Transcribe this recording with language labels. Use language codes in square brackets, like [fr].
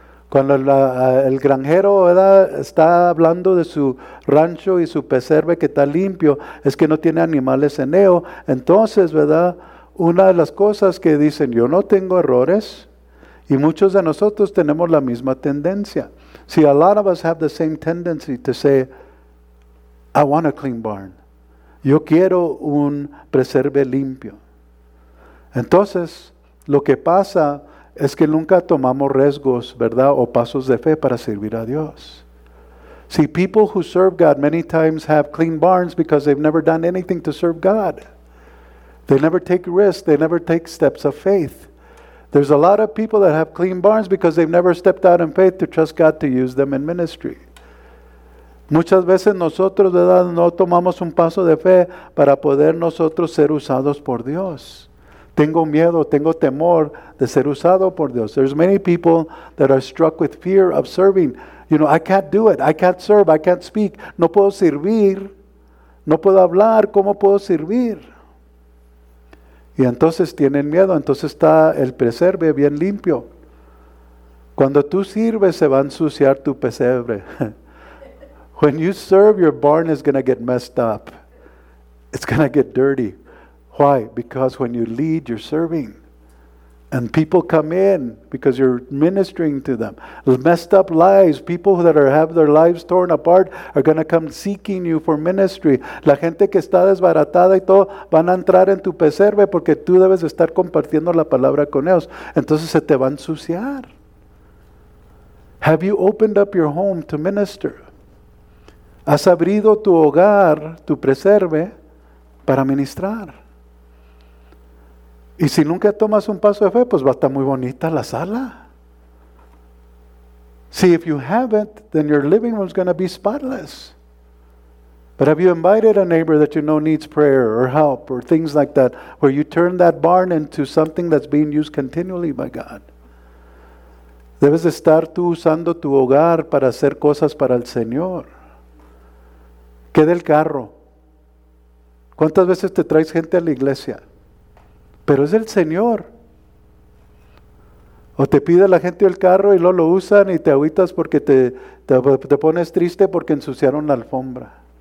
[es] Cuando el granjero, ¿verdad?, está hablando de su rancho y su preserve que está limpio, es que no tiene animales en él. Entonces, ¿verdad?, una de las cosas que dicen, yo no tengo errores, y muchos de nosotros tenemos la misma tendencia. [en] See, a lot of us have the same tendency to say, I want a clean barn. [es] Yo quiero un preserve limpio. Entonces, lo que pasa es que nunca tomamos riesgos, ¿verdad?, o pasos de fe para servir a Dios. [en] See, people who serve God many times have clean barns because they've never done anything to serve God. They never take risks. They never take steps of faith. There's a lot of people that have clean barns because they've never stepped out in faith to trust God to use them in ministry. [es] Muchas veces nosotros, ¿verdad?, no tomamos un paso de fe para poder nosotros ser usados por Dios. Tengo miedo, tengo temor de ser usado por Dios. [en] There's many people that are struck with fear of serving. You know, I can't do it. I can't serve. I can't speak. [es] No puedo servir. No puedo hablar. ¿Cómo puedo servir? Y entonces tienen miedo. Entonces está el preserve bien limpio. Cuando tú sirves, se va a ensuciar tu pesebre. [en] When you serve, your barn is going to get messed up. It's going to get dirty. Why? Because when you lead, you're serving. And people come in because you're ministering to them. Messed up lives, people that have their lives torn apart are going to come seeking you for ministry. [es] La gente que está desbaratada y todo van a entrar en tu preserve porque tú debes estar compartiendo la palabra con ellos. Entonces se te va a ensuciar. [en] Have you opened up your home to minister? [es] ¿Has abrido tu hogar, tu preserve, para ministrar? Y si nunca tomas un paso de fe, pues va a estar muy bonita la sala. [en] See, if you haven't, then your living room is going to be spotless. But have you invited a neighbor that you know needs prayer or help or things like that, where you turn that barn into something that's being used continually by God? [es] Debes estar tú usando tu hogar para hacer cosas para el Señor. ¿Qué del carro? ¿Cuántas veces te traes gente a la iglesia? Pero es el Señor. O te pide la gente el carro y luego lo usan y te agüitas porque te pones triste porque ensuciaron la alfombra.